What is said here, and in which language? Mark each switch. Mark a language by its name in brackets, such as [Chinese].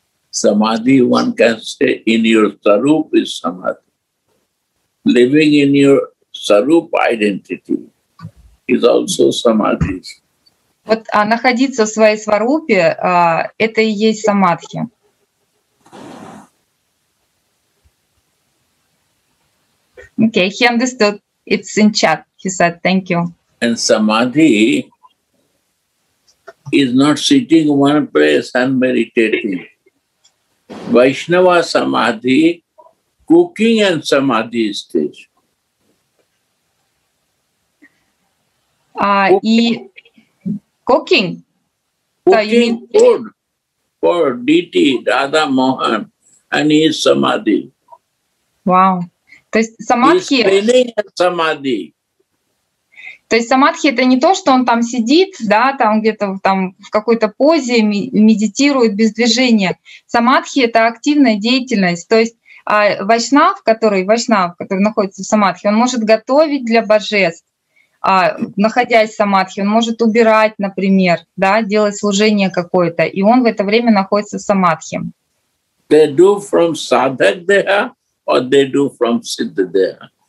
[English] Samadhi, one can say, in your sarup is samadhi. Living in your sarup identity is also samadhi. [Russian] Вот находиться в своей сварупе – это и есть самадхи. [English] Okay, he understood. It's in chat. He said, thank you. And samadhi is not sitting in one place and meditating. Vaishnava samadhi, cooking and samadhi stage. Cooking? Cooking food for Diti, Radha Mohan, and his samadhi. [Russian] Wow. То есть самадхи... [English] He's cleaning and samadhi. [Russian] То есть самадхи — это не то, что он там сидит, да, там где-то там в какой-то позе медитирует без движения. Самадхи — это активная деятельность. То есть вайшнав, который находится в самадхи, он может готовить для божеств, находясь в самадхи, он может убирать, например, да, делать служение какое-то, и он в это время находится в самадхи. [English] They do from sadhak there, or they do from siddha there.